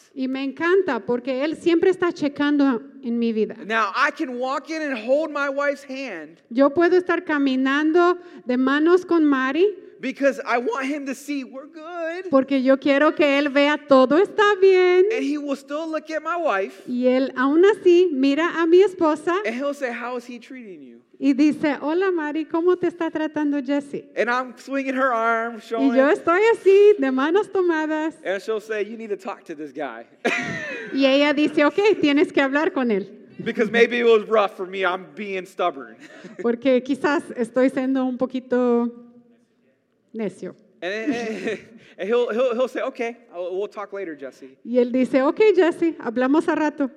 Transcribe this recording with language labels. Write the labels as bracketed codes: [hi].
[es] Y me encanta porque él siempre está checando en mi vida. [en] Now I can walk in and hold my wife's hand. [es] Yo puedo estar caminando de manos con Mari. [en] Because I want him to see we're good. [es] Porque yo quiero que él vea todo está bien. [en] And he will still look at my wife. [es] Y él aún así mira a mi esposa. [en] And he'll say, how is he treating you? [es] Y dice, hola Mari, ¿cómo te está tratando Jesse? [en] And I'm swinging her arm, showing. [es] Y yo estoy así, de manos tomadas. [en] And she'll say, you need to talk to this guy. [es] Y ella dice, okay, tienes que hablar con él. [en] Because maybe it was rough for me, I'm being stubborn. [es] Porque quizás estoy siendo un poquito necio. [en] And he'll say, okay, we'll talk later, Jesse. [es] Y él dice, okay, Jesse, hablamos al rato.